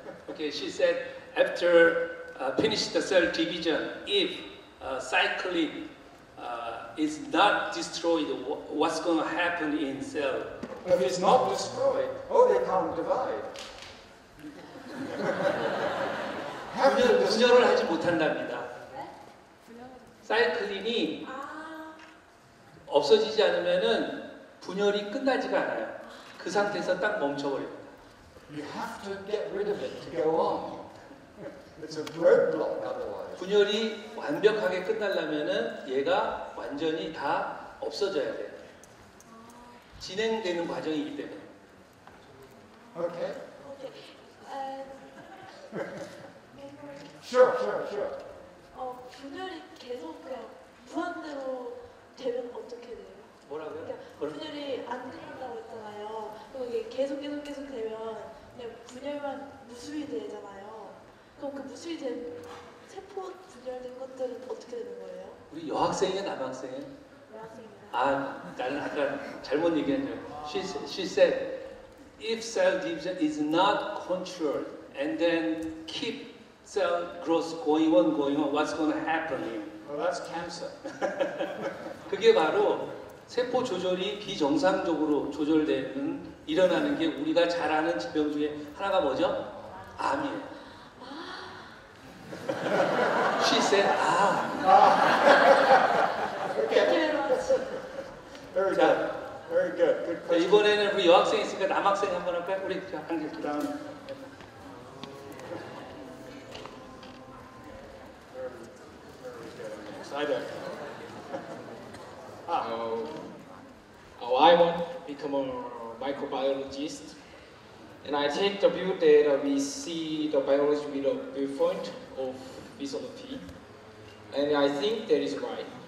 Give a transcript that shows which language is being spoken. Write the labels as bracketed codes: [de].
[en] Okay, she said, after finish the cell division, if cyclin is not destroyed, what's going to happen in cell? If it's not destroyed, oh, they can't divide. [ko] 분열을 하지 못한답니다. 사이클린이 없어지지 않으면은 분열이 끝나지가 않아요. 그 상태에서 딱 멈춰버립니다. [en] You have to get rid of it to go on. It's a roadblock otherwise. [ko] 분열이 완벽하게 끝나려면은 얘가 완전히 다 없어져야 돼요. 진행되는 과정이기 때문에. [en] Okay. Sure. [ko] 분열이 계속 그냥 무한대로 되면 어떻게 돼요? 뭐라고요? 그러니까 분열이 안 끝난다고 했잖아요. 그럼 이게 계속 되면 그냥 분열만 무수히 되잖아요. 그럼 그 무수히 된 세포 분열된 것들은 어떻게 되는 거예요? 우리 여학생이에요, 남학생이에요? 여학생입니다. 아, 나는 아까 잘못 얘기했네요. [en] She said, if cell division is not controlled and then keep cell growth going on, what's going to happen? Well, that's cancer. [ko] 그게 바로 세포 조절이 비정상적으로 조절되는 일어나는 게 우리가 잘 아는 질병 중에 하나가 뭐죠? 암이에요. [en] She said, 아. Okay. Okay. 자, Very good. Good question. [ko] 이번에는 우리 여학생 있으니까 남학생 한번 할까요? 우리 한길 다음. [en] I want to become a microbiologist, and I take the view that we see the biology with a viewpoint of physiology, and I think that is right.